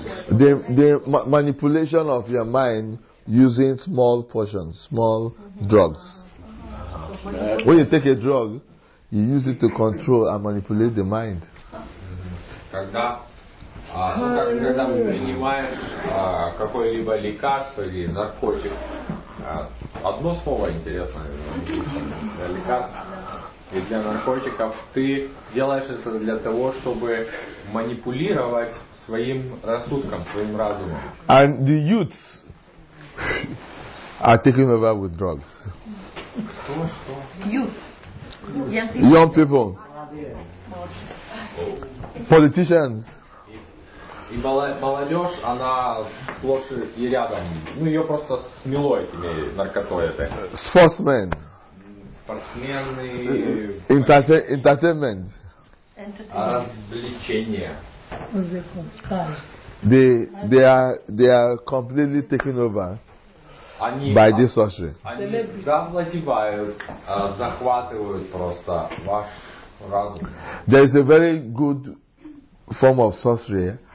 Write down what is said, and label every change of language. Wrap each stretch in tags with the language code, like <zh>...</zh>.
<en>The manipulation of your mind using small portions, small drugs. When you take a drug, you use it to control and manipulate the mind.</en> <ru>Когда мы принимаешь какое-либо лекарство или наркотик. Одно слово интересное. Лекарство. И для наркотиков ты делаешь это для того, чтобы манипулировать своим рассудком, своим разумом.</ru> <en>And the youths are taking over with drugs. Youth. Young people. Politicians.</en> <ru>И молодежь, она сплошь и рядом. Ну, ее просто смело этими наркотой. Спортсмен. Спортсмены.</ru> <en>Entertainment.</en> <ru>Развлечения.</ru> <en>They are completely taken over by this sorcery.</en> <ru>Они завладевают, захватывают просто ваш разум.</ru> <en>There is a very good form of sorcery.</en>